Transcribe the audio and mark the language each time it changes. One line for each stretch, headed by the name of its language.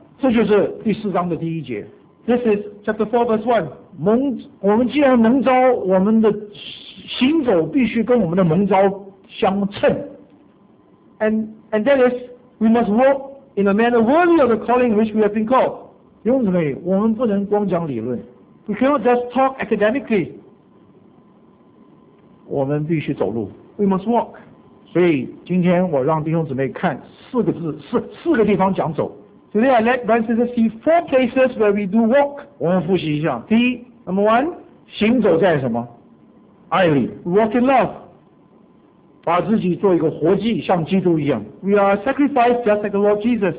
Chinese: 这就是第四章的第一节。
English: This is chapter 4 verse 1.
Chinese: 我们既然蒙召，我们的行走必须跟我们的蒙召相称。
English: And that is. We must walk in a manner worthy of the calling which we have been called.
Chinese: 弟兄姊妹，我们不能光讲理论。
English: We cannot just talk academically.
Chinese: 我们必须走路。
English: We must walk.
Chinese: 所以今天我让弟兄姊妹看四个字，四个地方讲走。
English: Today I let brothers see four places where we do walk.
Chinese: 我们复习一下。第一 ，
English: Number one，
Chinese: 行走在什么？爱里。
English: Walk in love.
Chinese: 把自己做一个活祭，像基督一样。
English: We are sacrificed just like the Lord Jesus.